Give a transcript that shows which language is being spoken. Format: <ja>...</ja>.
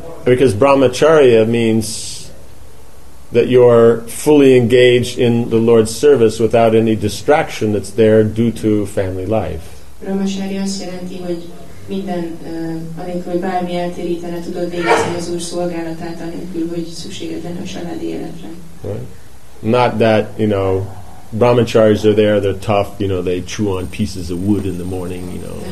<en>Because brahmacharya means that you're fully engaged in the Lord's service without any distraction that's there due to family life.</en> <hu>Brahmacharya azt jelenti, hogy minden, amikor bármi eltérítene, tudod végezni az Úr szolgálatát, anélkül, hogy szükséged lenne a családi életre.</hu> <en>Not that, you know, brahmacharis are there, they're tough, you know, they chew on pieces of wood in the morning, you know.</en>